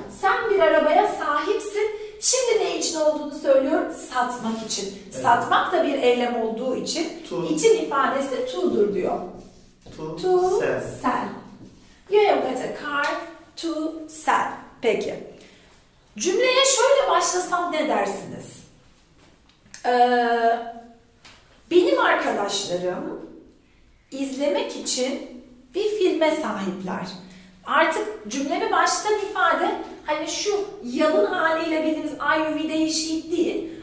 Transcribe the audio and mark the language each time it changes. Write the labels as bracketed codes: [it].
[tr] Sen bir arabaya sahipsin. Şimdi ne için olduğunu söylüyorum. Satmak için. Evet. Satmak da bir eylem olduğu için. [en] To. [tr] İçin ifadesi to'dur diyor. [en] To sell. You have got a car to sell. [tr] Peki. Cümleye şöyle başlasam ne dersiniz? Benim arkadaşlarım izlemek için bir filme sahipler. Artık cümlemi baştan ifade, hani şu yalın haliyle bildiğiniz IUV'de eşit değil.